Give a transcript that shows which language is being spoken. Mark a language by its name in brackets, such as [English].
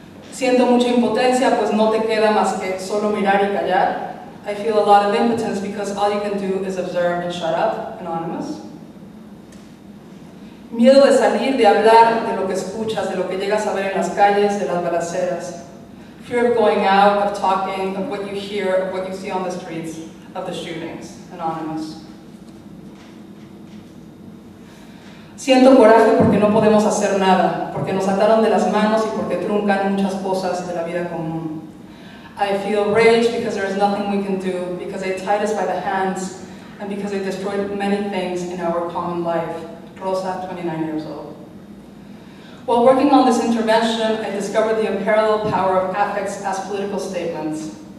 [Spanish] Siento mucha impotencia, pues no te queda más que solo mirar y callar. [English] I feel a lot of impotence because all you can do is observe and shut up, anonymous. [Spanish] Miedo de salir, de hablar, de lo que escuchas, de lo que llegas a ver en las calles, de las balaceras. [English] Fear of going out, of talking, of what you hear, of what you see on the streets, of the shootings, anonymous. [Spanish] Siento coraje porque no podemos hacer nada, porque nos ataron de las manos y porque truncan muchas cosas de la vida común. [English] I feel rage because there is nothing we can do, because they tied us by the hands, and because they destroyed many things in our common life. Rosa, 29 years old. While working on this intervention, I discovered the unparalleled power of affects as political statements.